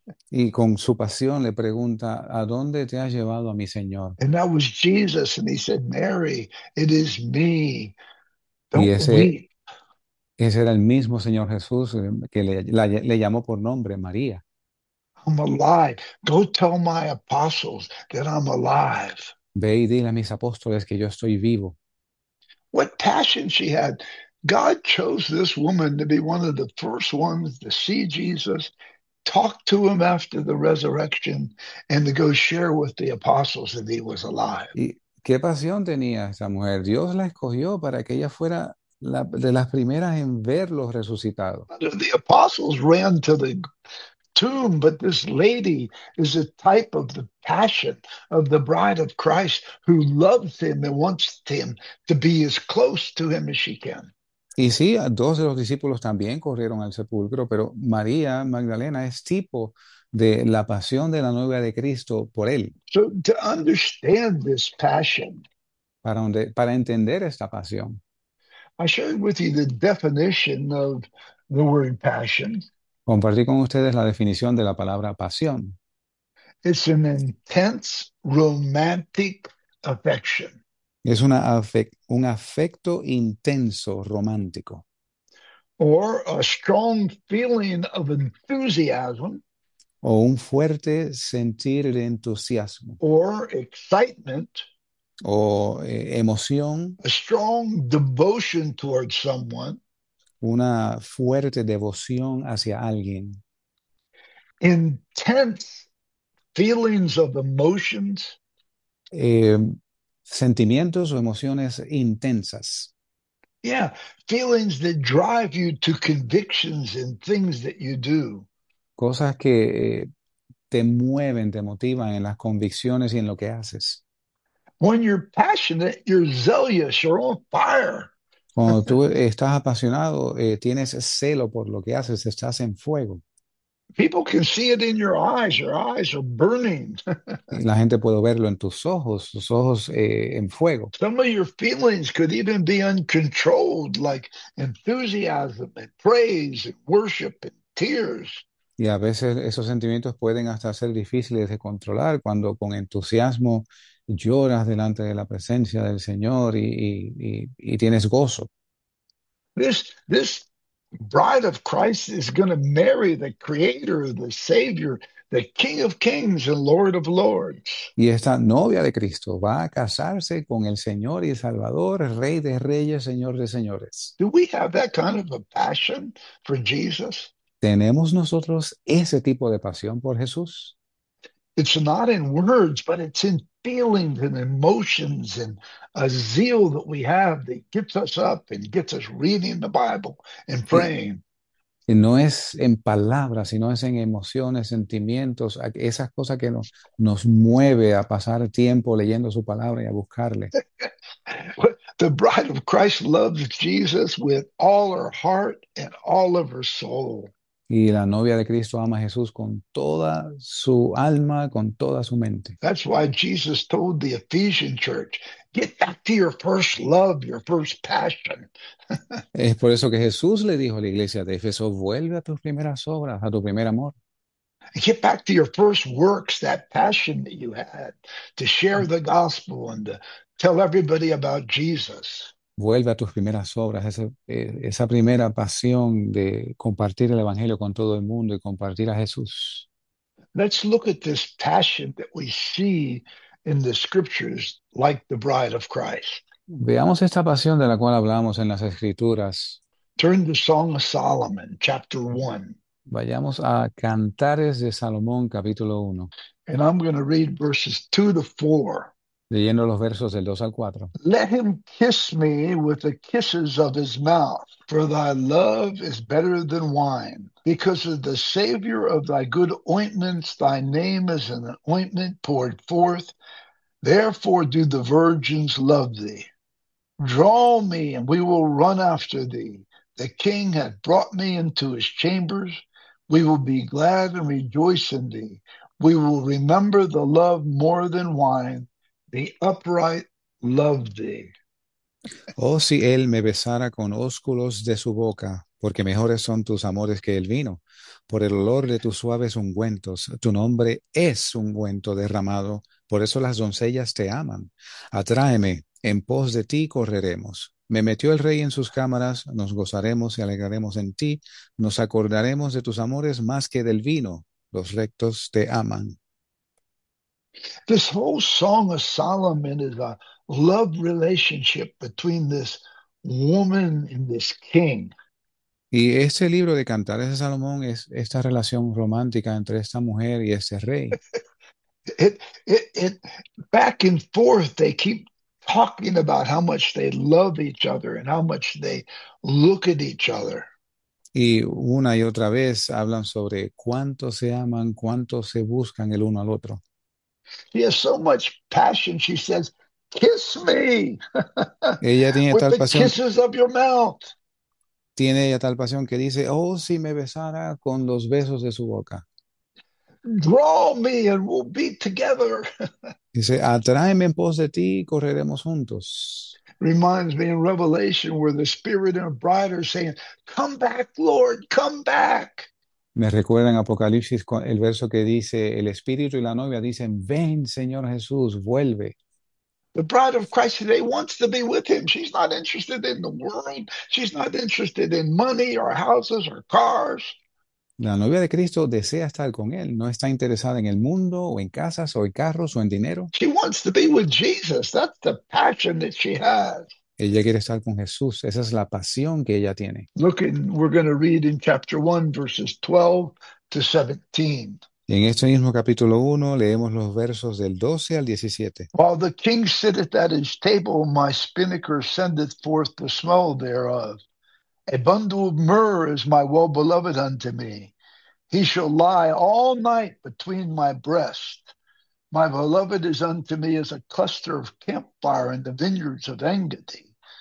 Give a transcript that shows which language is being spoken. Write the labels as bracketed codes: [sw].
[es] Y con su pasión le pregunta, ¿a dónde te has llevado a mi Señor? [en] And that was Jesus, and he said, Mary, it is me. [es] Y [en] Don't weep. [es] ese era el mismo Señor Jesús que le llamó por nombre María. [en] I'm alive. Go tell my apostles that I'm alive. [es] Ve y dile a mis apóstoles que yo estoy vivo. [en] What passion she had. God chose this woman to be one of the first ones to see Jesus. Talk to him after the resurrection and to go share with the apostles that he was alive. [es] ¿Qué pasión tenía esa mujer? Dios la escogió para que ella fuera de las primeras en verlo resucitado. [en] The apostles ran to the tomb, but this lady is a type of the passion of the bride of Christ who loves him and wants him to be as close to him as she can. [es] Y sí, dos de los discípulos también corrieron al sepulcro, pero María Magdalena es tipo de la pasión de la novia de Cristo por él. [en] So to understand this passion, [es] Para entender esta pasión. [en] I shared with you the definition of the word passion. [es] Compartí con ustedes la definición de la palabra pasión. [en] It's an intense romantic affection. [es] Es un afecto intenso, romántico. [en] Or a strong feeling of enthusiasm. [es] O un fuerte sentir de entusiasmo. [en] Or excitement, [es] O emoción, [en] a strong devotion towards someone. [es] una fuerte devoción hacia alguien. [en] Intense feelings of emotions. [es] Sentimientos o emociones intensas. [en] Yeah, feelings that drive you to convictions and things that you do. [es] Cosas que te mueven, te motivan en las convicciones y en lo que haces. [en] When you're passionate, you're zealous, you're on fire. [es] Cuando tú estás apasionado, tienes celo por lo que haces, estás en fuego. [en] People can see it in your eyes are burning. [es] Y la gente puede verlo en tus ojos en fuego. [en] Some of your feelings could even be uncontrolled, like enthusiasm and praise and worship and tears. [es] Y a veces esos sentimientos pueden hasta ser difíciles de controlar cuando con entusiasmo lloras delante de la presencia del Señor y tienes gozo. [en] This bride of Christ is going to marry the Creator, the Savior, the King of Kings and Lord of Lords. [es] Y esta novia de Cristo va a casarse con el Señor y Salvador, Rey de Reyes, Señor de Señores. [en] Do we have that kind of a passion for Jesus? [es] ¿Tenemos nosotros ese tipo de pasión por Jesús? [en] It's not in words, but it's in feelings and emotions and a zeal that we have that gets us up and gets us reading the Bible and praying. [es] No es en palabras, sino es en emociones, sentimientos, esas cosas que nos mueve a pasar tiempo leyendo su palabra y a buscarle. [en] The The bride of Christ loves Jesus with all her heart and all of her soul. [es] Y la novia de Cristo ama a Jesús con toda su alma, con toda su mente. [en] That's why Jesus told the Ephesian church, get back to your first love, your first passion. [es] Es por eso que Jesús le dijo a la iglesia de Éfeso, vuelve a tus primeras obras, a tu primer amor. [en] Get back to your first works, that passion that you had to share the gospel and to tell everybody about Jesus. [es] Vuelve a tus primeras obras, esa primera pasión de compartir el Evangelio con todo el mundo y compartir a Jesús. [en] Let's look at this passion that we see in the scriptures, like the bride of Christ. [es] Veamos esta pasión de la cual hablamos en las Escrituras. [en] Turn to Song of Solomon, chapter 1. [es] Vayamos a Cantares de Salomón, capítulo 1. [en] And I'm going to read verses 2 to 4. [es] Leyendo los versos del 2 al 4. [en] Let him kiss me with the kisses of his mouth, for thy love is better than wine. Because of the savior of thy good ointments, thy name is an ointment poured forth. Therefore do the virgins love thee. Draw me, and we will run after thee. The king hath brought me into his chambers. We will be glad and rejoice in thee. We will remember the love more than wine. The upright love thee. [es] Oh, si él me besara con ósculos de su boca, porque mejores son tus amores que el vino. Por el olor de tus suaves ungüentos, tu nombre es ungüento derramado, por eso las doncellas te aman. Atráeme, en pos de ti correremos. Me metió el rey en sus cámaras, nos gozaremos y alegraremos en ti, nos acordaremos de tus amores más que del vino, los rectos te aman. [en] This whole Song of Solomon is a love relationship between this woman and this king. [es] Y este libro de Cantares de Salomón es esta relación romántica entre esta mujer y este rey. [en] Back and forth, they keep talking about how much they love each other and how much they look at each other. [es] Y una y otra vez hablan sobre cuánto se aman, cuánto se buscan el uno al otro. [en] She has so much passion, she says, kiss me [es] Ella tiene [en] with [es] tal [en] the [es] pasión. [en] kisses of your mouth. [es] Tiene ella tal pasión que dice, oh, si me besara con los besos de su boca. [en] Draw me and we'll be together. [es] Dice, atráeme en pos de ti y correremos juntos. [en] Reminds me in Revelation where the spirit and a bride are saying, come back, Lord, come back. [es] Me recuerda en Apocalipsis el verso que dice, el espíritu y la novia dicen, ven, Señor Jesús, vuelve. [en] The bride of Christ today wants to be with him. She's not interested in the world. She's not interested in money or houses or cars. [es] La novia de Cristo desea estar con él, no está interesada en el mundo o en casas o en carros o en dinero. [en] She wants to be with Jesus. That's the passion that she has. [es] Ella quiere estar con Jesús, esa es la pasión que ella tiene. [en] Look, we're going to read in chapter 1, verses 12 to 17. [es] Y en este mismo capítulo 1 leemos los versos del 12 al 17. [en] While the king sitteth at his table, my spinnaker sendeth forth the smell thereof. A bundle of myrrh is my well-beloved unto me. He shall lie all night between my breasts. My beloved is unto me as a cluster of campfire in the vineyards of Engedi.